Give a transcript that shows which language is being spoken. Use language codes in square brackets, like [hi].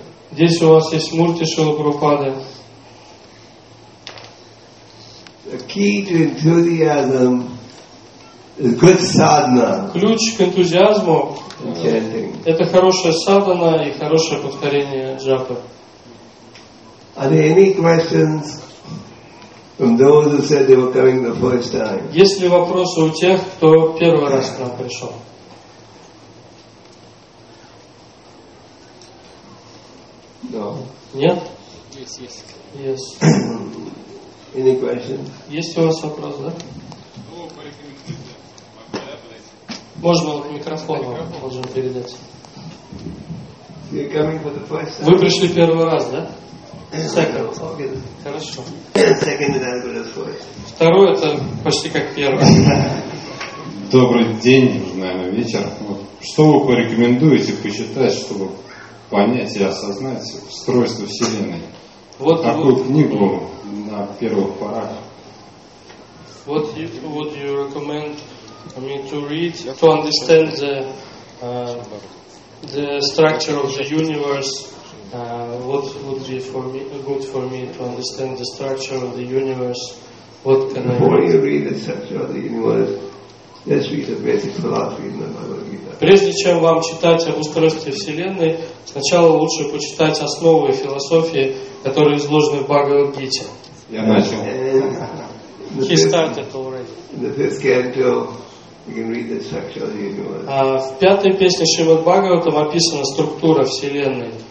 [ru] Здесь у вас есть мурти Шрилы Прабхупады. [en] The key to enthusiasm is good sadhana. [ru] Ключ к энтузиазму – это хорошая садхана и хорошее повторение джапы. [en] Are there any questions from those who said they were coming the first time? [ru] Есть ли вопросы у тех, кто первый раз к нам пришел? [en] No. [ru] Нет? [en] Yes. Any questions? [ru] Есть у вас вопрос, да? Можно микрофон вам можем передать. [en] You're coming for the first time. [ru] Вы пришли первый раз, да? [en] Second. [ru] Хорошо. [en] Second is as good as first. [ru] Второй это почти как первый. Добрый день, уже, наверное, вечер. Вот. Что вы порекомендуете почитать, чтобы понять и осознать устройство Вселенной. Вот такую книгу на первых порах. [en] What would you recommend me to read to understand the structure of the universe? What would be for me good for me to understand the structure of the universe? What can I? Before you read the structure of the universe, let's read the basic philosophy in the Bhagavad Gita. [ru] Прежде чем вам читать об устройстве Вселенной, сначала лучше почитать основы философии, которые изложены в Бхагавад Гите. Я начал. [en] He started already. [ru] В пятой песне Шримад Бхагаватам описана структура Вселенной.